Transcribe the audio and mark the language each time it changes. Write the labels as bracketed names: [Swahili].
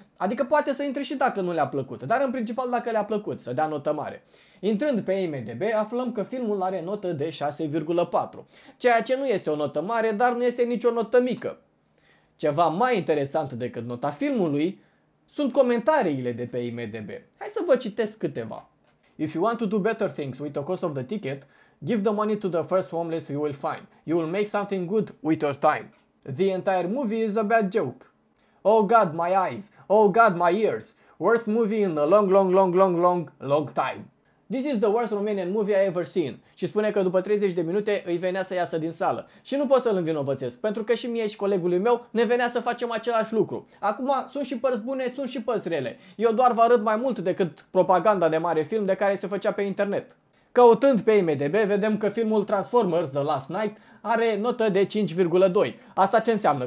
[Romanian] Adică poate să intre și dacă nu le-a plăcut, dar în principal dacă le-a plăcut, să dea notă mare. Intrând pe IMDb, aflăm că filmul are notă de 6,4, ceea ce nu este o notă mare, dar nu este nicio notă mică. Ceva mai interesant decât nota filmului sunt comentariile de pe IMDb. Hai să vă citesc câteva. [English] If you want to do better things with the cost of the ticket, give the money to the first homeless you will find. You will make something good with your time. The entire movie is a bad joke. Oh God, my eyes. Oh God, my ears. Worst movie in a long, long, long, long, long, long time. This is the worst Romanian movie I ever seen. [Romanian] Și spune că după 30 de minute îi venea să iasă din sală. Și nu pot să-l învinovățesc, pentru că și mie și colegului meu ne venea să facem același lucru. Acum sunt și părți bune, sunt și părți rele. Eu doar vă arăt mai mult decât propaganda de mare film de care se făcea pe internet. Căutând pe IMDb, vedem că filmul Transformers The Last Night are notă de 5,2. Asta ce înseamnă?